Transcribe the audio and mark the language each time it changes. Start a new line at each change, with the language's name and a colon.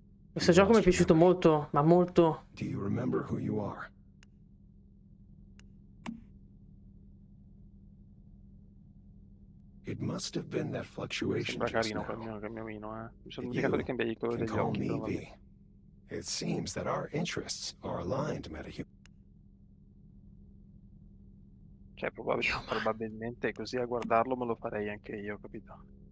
Italian: Questo gioco mi è piaciuto molto, ma molto.
English: Do you remember who you are? It must have been that fluctuation.
Italian: Sembra carino quel mio, mi sono dimenticato di cambiare il colore degli occhi. Però, vabbè.
English: It seems that our interests are aligned, metahuman.
Italian: Cioè, probabilmente così a guardarlo me lo farei anche io, capito?